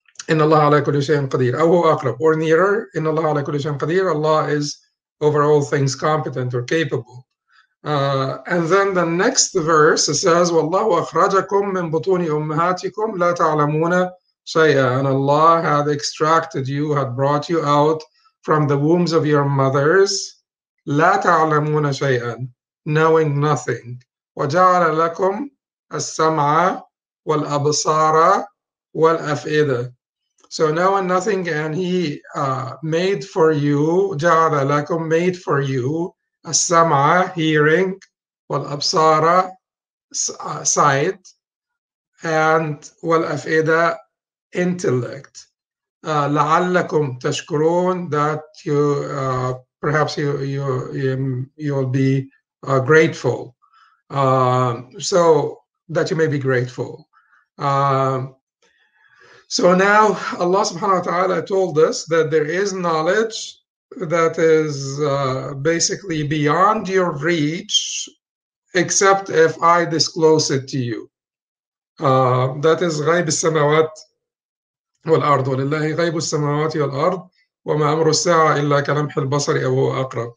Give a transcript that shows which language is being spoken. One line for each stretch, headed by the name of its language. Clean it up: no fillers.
Arabic: إن الله على كل شيء قدير أو هو أقرب
English: or nearer.
Arabic: إن الله على كل شيء قدير,
English: Allah is over all things competent or capable. And then the next verse says
Arabic: والله أخرجكم من بطون أمهاتكم لا تعلمون شيئا,
English: and Allah had extracted you, had brought you out from the wombs of your mothers,
Arabic: لا تعلمون شيئا,
English: knowing nothing.
Arabic: وجعل لكم السمع والأبصار والأفئدة.
English: So knowing nothing, and he made for you,
Arabic: جعل لكم,
English: made for you, السمع, hearing, والأبصار, sight, and والأفئدة, intellect.
Arabic: لعلكم تشكرون,
English: that you perhaps you will be grateful. So that you may be grateful. So now Allah subhanahu wa ta'ala told us that there is knowledge that is basically beyond your reach, except if I disclose it to you. That is
Arabic: غيب السماوات والأرض ولله غيب السماوات والأرض وما أمر الساعة إلا كلمح البصر أو هو أقرب.